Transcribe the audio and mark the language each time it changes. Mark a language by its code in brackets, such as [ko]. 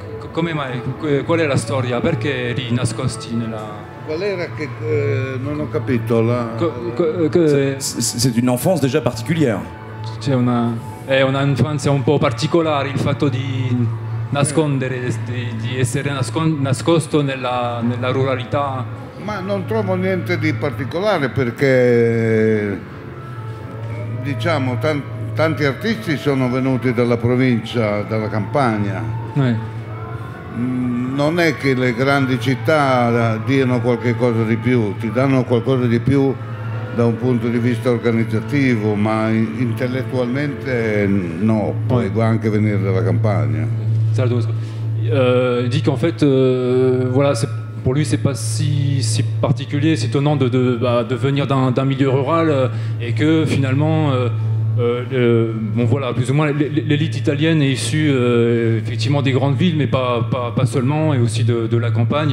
[it] Come mai? Qual è la storia? Perché eri nascosti nella... Qual era che... non ho capito. La... [fr] C'est une enfance déjà particulière. [it] C'è una... È un'infanzia un po' particolare, il fatto di nascondere, di essere nascosto nella ruralità. Ma non trovo niente di particolare perché... Diciamo, tanti artisti sono venuti dalla provincia, dalla campagna. Non è che le grandi città diano qualche cosa di più, ti danno qualcosa di più da un punto di vista organizzativo, ma intellettualmente no, puoi anche venire dalla campagna. Certo, dico che [fr] in fait, voilà, c'est, pour lui c'est pas si particulier, c'est étonnant de venir d'un milieu rural et que finalement... bon voilà, plus ou moins l'élite italienne est issue effectivement des grandes villes, mais pas seulement, et aussi de la campagne.